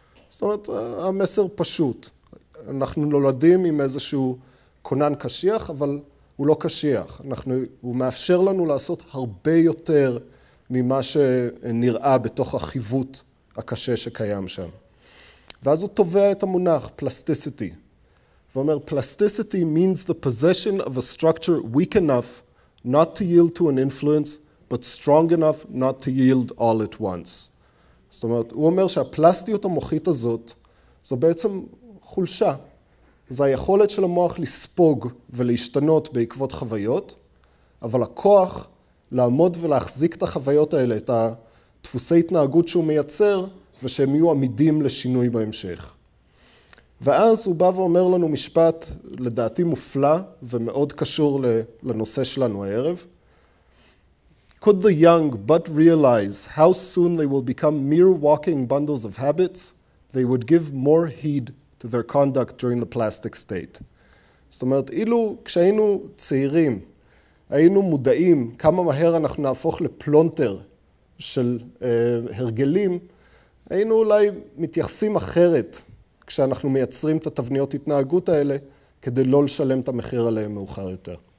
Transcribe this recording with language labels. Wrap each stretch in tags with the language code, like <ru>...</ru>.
<he>זאת אומרת, המסר פשוט. אנחנו נולדים עם איזשהו קונן קשיח, אבל הוא לא קשיח. הוא מאפשר לנו לעשות הרבה יותר ממה שנראה בתוך החיוות הקשה שקיים שם. ואז הוא תובע את המונח, plasticity. ואומר,</he> <en>plasticity means the possession of a structure weak enough not to yield to an influence, but strong enough not to yield all at once.</en> <he>זאת אומרת, הוא אומר שהפלסטיות המוחית הזאת, זו בעצם חולשה. זו היכולת של המוח לספוג ולהשתנות בעקבות חוויות, אבל הכוח לעמוד ולהחזיק את החוויות האלה, את הדפוסי התנהגות שהוא מייצר, ושהם יהיו עמידים לשינוי בהמשך. ואז הוא בא ואומר לנו משפט לדעתי מופלא ומאוד קשור לנושא שלנו הערב.</he> <en>Could the young but realize how soon they will become mere walking bundles of habits, they would give more heed to their conduct during the plastic state.</en> <he>זאת אומרת, אילו כשהיינו צעירים, היינו מודעים כמה מהר אנחנו נהפוך לפלונטר של הרגלים, היינו אולי מתייחסים אחרת כשאנחנו מייצרים את התבניות התנהגות האלה, כדי לא לשלם את המחיר עליהם מאוחר יותר.</he>